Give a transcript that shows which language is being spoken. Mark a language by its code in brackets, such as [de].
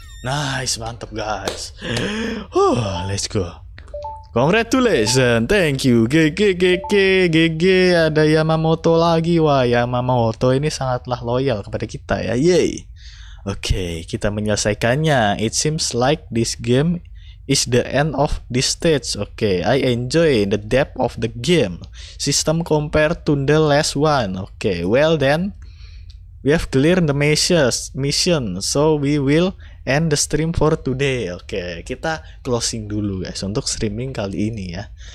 [en] Nice, [id] mantap [en] guys. Let's go. Congratulations. Thank you. GG. [id] Ada Yamamoto lagi. Wah, Yamamoto ini sangatlah loyal kepada kita ya. Yay. Oke, kita menyelesaikannya. [en] It seems like this game is the end of this stage. Oke, I enjoy the depth of the game system compared to the last one. Oke, well then. We have cleared the mission, so we will end the stream for today. [id] Oke, kita closing dulu guys untuk streaming kali ini ya.